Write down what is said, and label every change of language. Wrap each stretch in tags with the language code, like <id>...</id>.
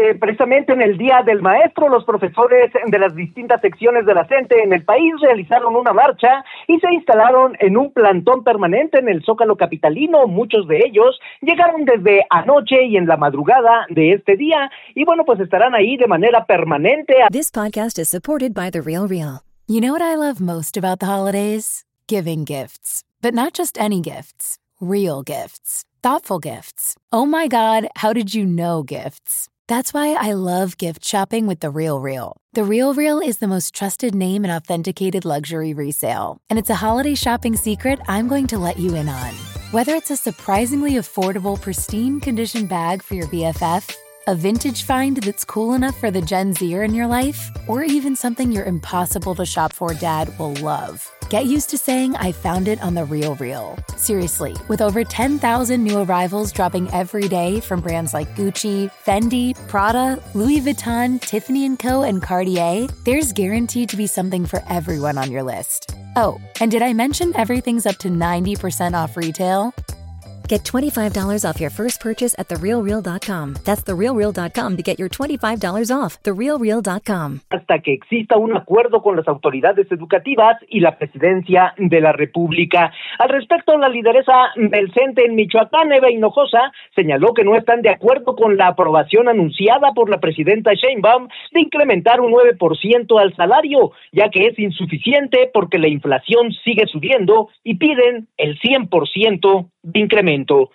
<es>Precisamente en el Día del Maestro, los profesores de las distintas secciones de la CENTE en el país realizaron una marcha y se instalaron en un plantón permanente en el Zócalo capitalino. Muchos de ellos llegaron desde anoche y en la madrugada de este día. Y bueno, pues estarán ahí de manera permanente.</es> <en>This podcast is supported by The Real Real. You know what I love most about the holidays? Giving gifts. But not just any gifts, real gifts, thoughtful gifts. Oh my God, how did you know gifts? That's why I love gift shopping with The Real Real. The Real Real is the most trusted name in authenticated luxury resale. And it's a holiday shopping secret I'm going to let you in on. Whether it's a surprisingly affordable, pristine condition bag for your BFF, a vintage find that's cool enough for the Gen Zer in your life, or even something your impossible to shop for dad will love. Get used to saying, I found it on The Real Real. Seriously, with over 10,000 new arrivals dropping every day from brands like Gucci, Fendi, Prada, Louis Vuitton, Tiffany & Co., and Cartier, there's guaranteed to be something for everyone on your list. Oh, and did I mention everything's up to 90% off retail? Get $25 off your first purchase at TheRealReal.com. That's TheRealReal.com to get your $25 off. TheRealReal.com.</en> <es>Hasta que exista un acuerdo con las autoridades educativas y la presidencia de la República. Al respecto, la lideresa del CENTE en Michoacán, Eva Hinojosa, señaló que no están de acuerdo con la aprobación anunciada por la presidenta Sheinbaum de incrementar un 9% al salario, ya que es insuficiente porque la inflación sigue subiendo y piden el 100% de incremento.</es>